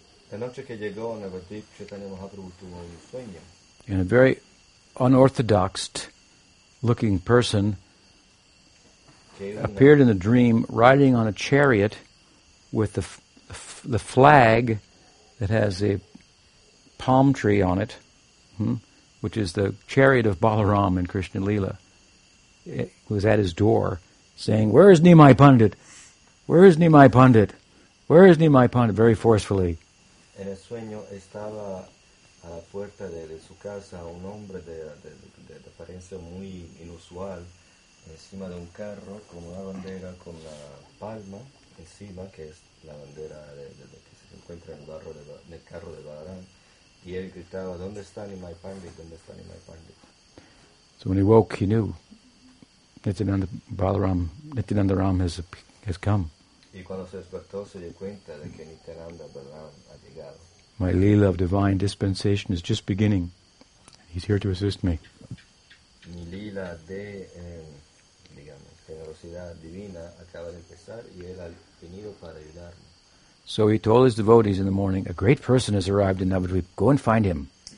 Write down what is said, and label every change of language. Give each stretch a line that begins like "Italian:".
English: And a very unorthodox looking person appeared in the dream riding on a chariot with the flag that has a palm tree on it. Which is the chariot of Balaram in Krishna Lila. It was at his door saying, "Where is Nimai Pandit? Where is Nimai Pandit? Where is Nimai Pandit?" Very forcefully.
Spanish: En el sueño estaba a la puerta de su casa un hombre de apariencia muy inusual encima de un carro con una bandera con la palma encima que es la bandera de que se encuentra en el barro de, en el carro de Balaram. Y él gritaba, ¿dónde está Nimai Pandit? ¿Dónde está Nimai Pandit?
English: So when he woke, he knew Nityananda Balaram, Nityananda Ram has come.
Spanish: Y cuando se despertó, se dio cuenta de que Nityananda Balaram ha llegado.
English: My lila of divine dispensation is just beginning. He's here to assist me.
Spanish: Mi lila de, digamos, generosidad divina acaba de empezar y él ha venido para ayudarme.
English: So he told his devotees in the morning, a great person has arrived in Navadvip, go and find him.